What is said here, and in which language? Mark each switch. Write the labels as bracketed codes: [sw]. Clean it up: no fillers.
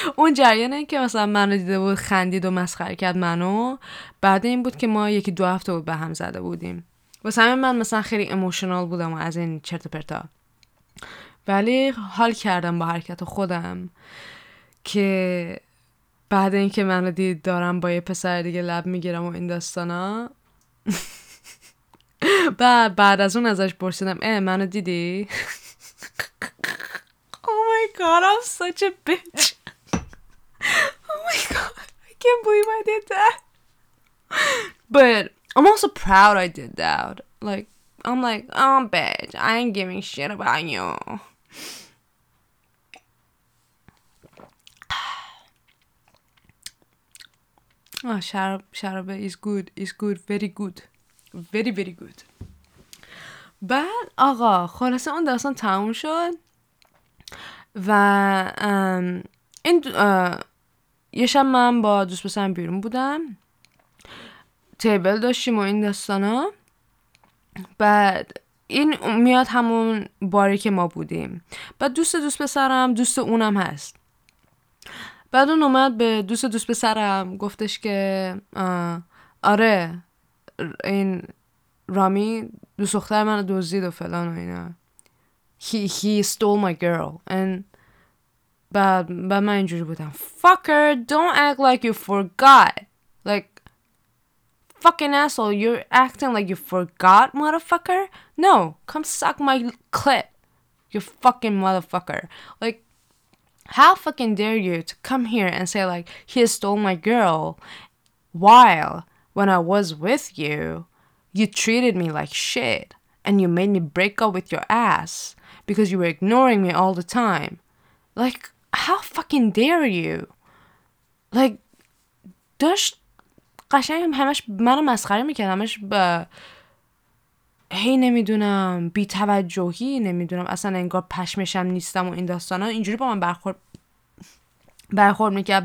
[fa] اون جریانه که مثلا منو دیده بود خندید و مسخره کرد منو، بعد این بود که ما یکی دو هفته بود به هم زده بودیم، واسه همین من مثلا خیلی ایموشنال بودم و از این چرت و پرتا، ولی حال کردم با حرکت خودم که بعد این که منو دید دارم با یه پسر دیگه لب میگیرم و این داستانا. بعد از اون ازش پرسیدم منو دیدی؟ [en] God, I'm such a bitch. Oh my god, I can't believe I did that. But I'm also proud I did that. Like, I'm like, oh bitch, I ain't giving shit about you. Oh, Sharab is good, very good. Very, very good. But, [fa] aga, خلاصه اون داستان تموم شد. و این یه شب من با دوست پسرم بیرون بودم، تیبل داشتیم و این داستانا، بعد این میاد همون باری که ما بودیم، بعد دوست پسرم دوست اونم هست، بعد اون اومد به دوست پسرم گفتش که آره این رامی دوست دختر من رو دزدید و فلان و اینا، [en] he stole my girl. And But [fa] من اینجوری بودم [en] fucker don't act like you forgot, like fucking asshole, you're acting like you forgot motherfucker, no come suck my clit you fucking motherfucker, like how fucking dare you to come here and say like he stole my girl while when I was with you you treated me like shit, and you made me break up with your ass because you were ignoring me all the time. Like, how fucking dare you? Like, [fa] داشت قشنگ همش منو مسخره میکرد، همش با هی نمیدونم بی توجهی، نمیدونم اصلا انگار پشمشم نیستم و این داستانا، اینجوری با من برخورد میکرد.